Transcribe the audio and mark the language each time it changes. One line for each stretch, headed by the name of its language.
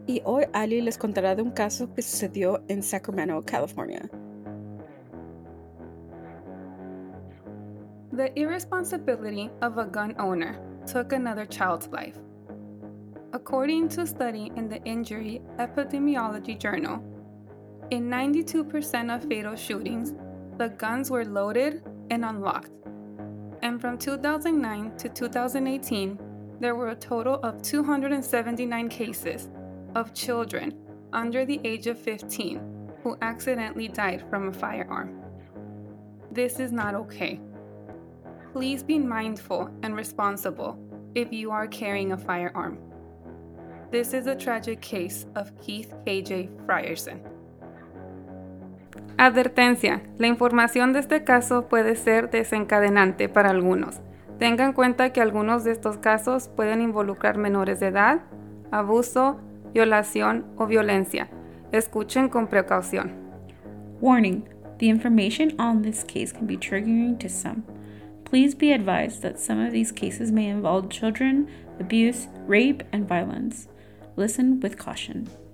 Spanish: Y hoy Ali les contará de un caso que sucedió en Sacramento, California.
English: The irresponsibility of a gun owner took another child's life. According to a study in the Injury Epidemiology Journal, in 92% of fatal shootings, the guns were loaded and unlocked. And from 2009 to 2018, there were a total of 279 cases of children under the age of 15 who accidentally died from a firearm. This is not okay. Please be mindful and responsible if you are carrying a firearm. This is a tragic case of Keith K.J. Frierson.
Spanish: Advertencia, la información de este caso puede ser desencadenante para algunos. Tenga en cuenta que algunos de estos casos pueden involucrar menores de edad, abuso, violación o violencia. Escuchen con precaución.
English: Warning, the information on this case can be triggering to some. Please be advised that some of these cases may involve children, abuse, rape, and violence. Listen with caution.